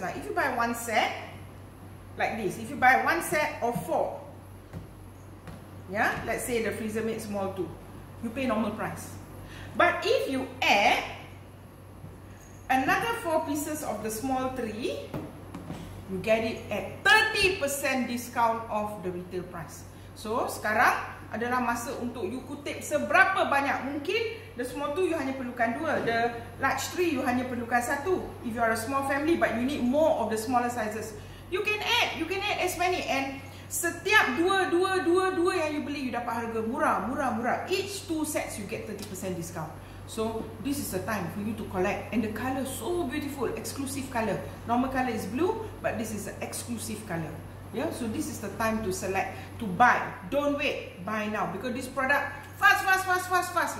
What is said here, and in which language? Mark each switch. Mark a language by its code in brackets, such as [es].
[en] Now, if you buy one set, like this, if you buy one set of four, yeah, let's say the freezer made small too, you pay normal price. But if you add another four pieces of the small three, you get it at 30% discount of the retail price. [ms] So, sekarang adalah masa untuk you kutip seberapa banyak. Mungkin the small two you hanya perlukan dua. The large three you hanya perlukan satu. [en] If you are a small family but you need more of the smaller sizes, you can add. You can add as many. [ms] And setiap dua yang you beli, you dapat harga murah. [en] Each two sets you get 30% discount. So this is the time for you to collect. And the colour so beautiful. Exclusive colour. Normal colour is blue, but this is an exclusive colour. Yeah, so this is the time to select, to buy. Don't wait, buy now. Because this product, fast.